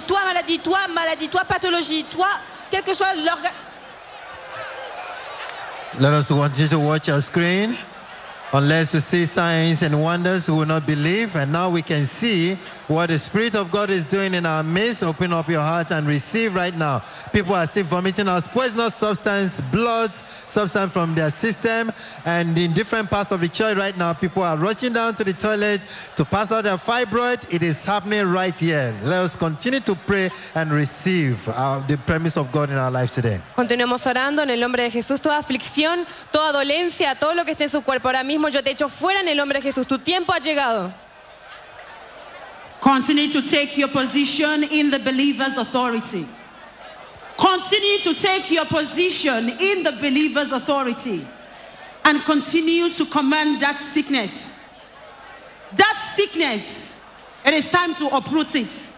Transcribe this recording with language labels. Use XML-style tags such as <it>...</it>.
<fr>Toi maladie, toi pathologie, toi, quel que soit l'organe.</fr> <en>Let us continue to watch our screen. Unless we see signs and wonders, we will not believe. And now we can see what the Spirit of God is doing in our midst. Open up your heart and receive right now. People are still vomiting out poisonous substance, blood, substance from their system. And in different parts of the church right now, people are rushing down to the toilet to pass out their fibroid. It is happening right here. Let us continue to pray and receive the premise of God in our life today.</en> <es>Continuemos orando en el nombre de Jesús. Toda aflicción, toda dolencia, todo lo que esté en su cuerpo ahora mismo, yo te echo fuera en el nombre de Jesús. Tu tiempo ha llegado.</es> <en>Continue to take your position in the believer's authority. Continue to take your position in the believer's authority. And continue to command that sickness. That sickness, it is time to uproot it.</en>